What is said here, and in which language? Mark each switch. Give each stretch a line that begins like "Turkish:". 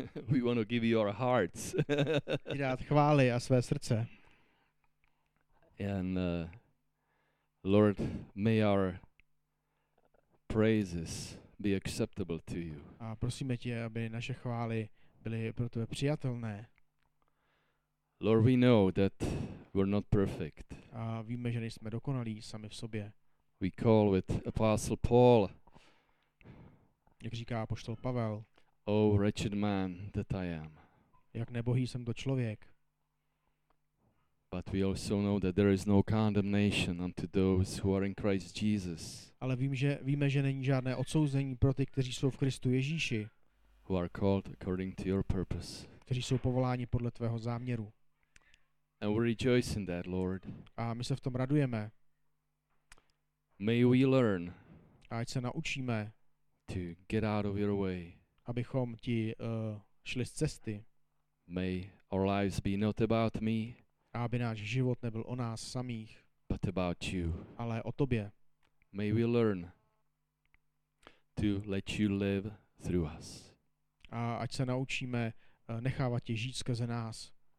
English: We want to give you our hearts.
Czech: Dát chvály a své srdce.
English: And Lord, may our praises be acceptable to you.
Czech: A prosíme tě, aby naše chvály byly pro tebe přijatelné.
English: Lord, we know that we're not perfect.
Czech: A víme, že nejsme dokonalí sami v sobě.
English: We call with Apostle Paul.
Czech: Jak říká apoštol Pavel.
English: Oh, wretched man that I am.
Czech: Jak nebohý jsem to člověk.
English: But we also know that there is no condemnation unto those who are in Christ Jesus.
Czech: Ale víme, že není žádné odsouzení pro ty, kteří jsou v Kristu Ježíši.
English: Who are called according to your purpose.
Czech: Kteří jsou povoláni podle tvého záměru.
English: And we rejoice in that, Lord.
Czech: A my se v tom radujeme.
English: May we learn.
Czech: Ať se naučíme.
English: To get out of your way.
Czech: Abychom ti šli z cesty.
English: May our lives be not about me.
Czech: Aby náš život nebyl o nás samých.
English: But about you.
Czech: Ale o tobě.
English: May we learn. To let you live through us.
Czech: A ať se naučíme nechávat tě žít skrze nás.